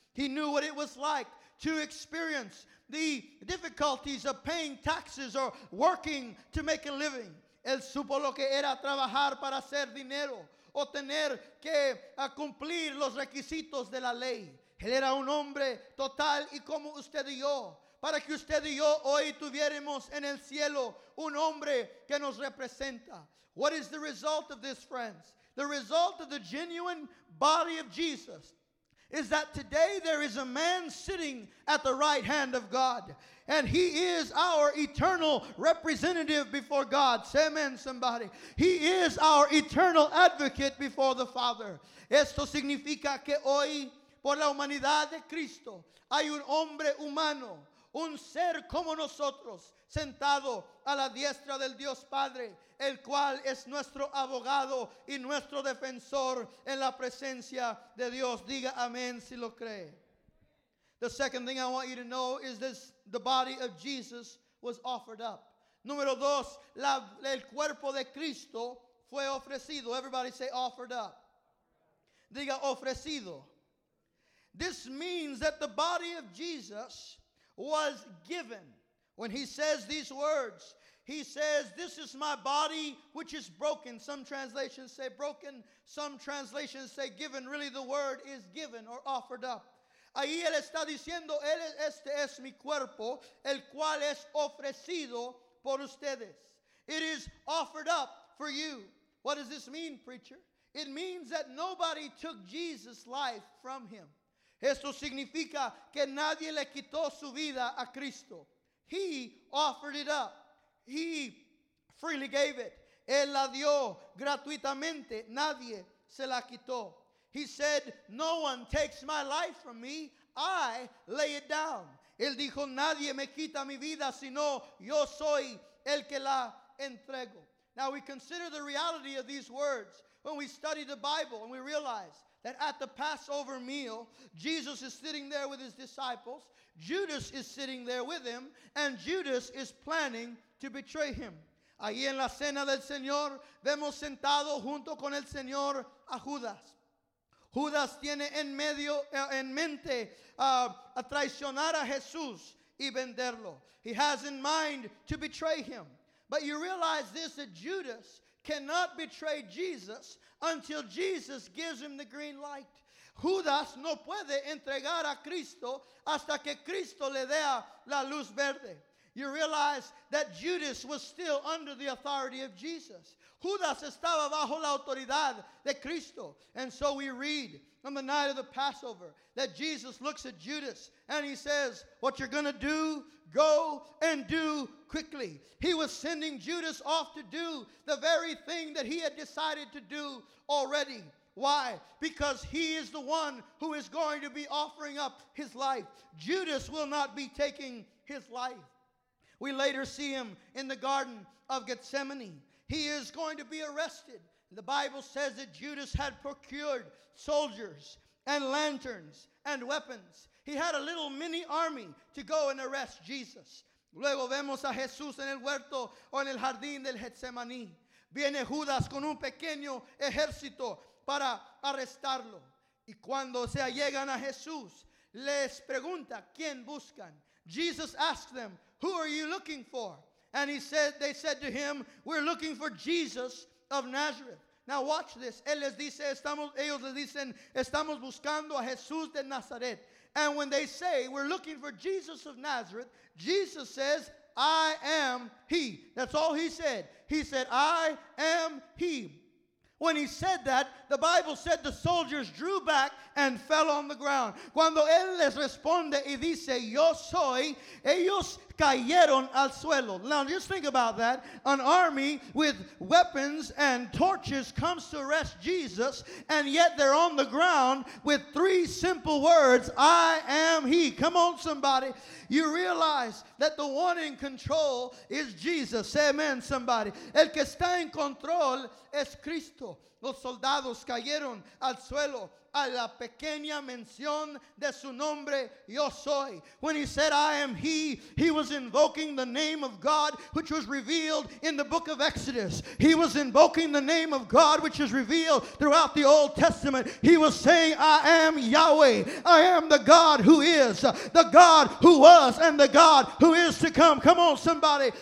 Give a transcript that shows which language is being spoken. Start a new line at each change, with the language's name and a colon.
English: He knew what it was like to experience the difficulties of paying taxes or working to make a living.
Spanish: Él supo lo que era trabajar para hacer dinero o tener que cumplir los requisitos de la ley. Él era un hombre total y como usted y yo, para que usted y yo hoy tuviéramos en el cielo un hombre que nos representa.
English: What is the result of this, friends? The result of the genuine body of Jesus is that today there is a man sitting at the right hand of God. And he is our eternal representative before God. Say amen, somebody. He is our eternal advocate before the Father.
Spanish: Esto significa que hoy, por la humanidad de Cristo, hay un hombre humano, un ser como nosotros, sentado a la diestra del Dios Padre, el cual es nuestro abogado y nuestro defensor en la presencia de Dios. Diga amén si lo cree.
English: The second thing I want you to know is this: the body of Jesus was offered up.
Spanish: Número dos, el cuerpo de Cristo fue ofrecido.
English: Everybody say offered up.
Spanish: Diga ofrecido.
English: This means that the body of Jesus was given. When he says these words, he says, this is my body which is broken. Some translations say broken, some translations say given. Really the word is given or offered up.
Spanish: Ahí él está diciendo, este es mi cuerpo, el cual es ofrecido por ustedes.
English: It is offered up for you. What does this mean, preacher? It means that nobody took Jesus' life from him.
Spanish: Esto significa que nadie le quitó su vida a Cristo.
English: He offered it up. He freely gave it.
Spanish: Él la dio gratuitamente. Nadie se la quitó.
English: He said, no one takes my life from me. I lay it down.
Spanish: Él dijo, nadie me quita mi vida, sino yo soy el que la entrego.
English: Now we consider the reality of these words when we study the Bible and we realize that at the Passover meal, Jesus is sitting there with his disciples. Judas is sitting there with him, and Judas is planning to betray him.
Spanish: Ahí en la cena del Señor, vemos sentado junto con el Señor a Judas. Judas tiene en medio, en mente, a traicionar a Jesús y venderlo.
English: He has in mind to betray him. But you realize this, that Judas cannot betray Jesus until Jesus gives him the green light.
Spanish: Judas no puede entregar a Cristo hasta que Cristo le dé la luz verde.
English: You realize that Judas was still under the authority of Jesus.
Spanish: Judas estaba bajo la autoridad de Cristo.
English: And so we read on the night of the Passover that Jesus looks at Judas and he says, what you're going to do, go and do quickly. He was sending Judas off to do the very thing that he had decided to do already. Why? Because he is the one who is going to be offering up his life. Judas will not be taking his life. We later see him in the Garden of Gethsemane. He is going to be arrested. The Bible says that Judas had procured soldiers and lanterns and weapons. He had a little mini army to go and arrest Jesus.
Spanish: Luego vemos a Jesús en el huerto o en el jardín del Getsemaní. Viene Judas con un pequeño ejército para arrestarlo. Y cuando se allegan a Jesús, les pregunta, ¿quién buscan?
English: Jesus asked them, who are you looking for? And they said to him, we're looking for Jesus of Nazareth. Now watch this.
Spanish: Ellos les dicen, estamos buscando a Jesús de Nazaret.
English: And when they say, we're looking for Jesus of Nazareth, Jesus says, I am he. That's all he said. He said, I am he. When he said that, the Bible said the soldiers drew back and fell on the ground.
Spanish: Cuando él les responde y dice, yo soy, ellos cayeron al suelo.
English: Now just think about that. An army with weapons and torches comes to arrest Jesus, and yet they're on the ground with three simple words, I am he. Come on, somebody. You realize that the one in control is Jesus. Say amen, somebody.
Spanish: El que está en control es Cristo. Los soldados cayeron al suelo a la pequeña mención de su nombre, yo soy.
English: When he said, I am he was invoking the name of God which was revealed in the book of Exodus. He was invoking the name of God which is revealed throughout the Old Testament. He was saying, I am Yahweh. I am the God who is, the God who was, and the God who is to come. Come on, somebody.